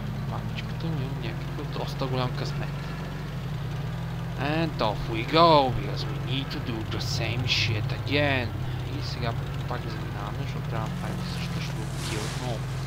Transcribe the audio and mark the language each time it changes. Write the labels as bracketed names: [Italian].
[Bulgarian] Мамичката ми има някакъв доста голям късмет. [English] And off we go, because we need to do the same shit again. [Bulgarian] И сега пак заминаваме, защото трябва да правим същото, ще го убия отново.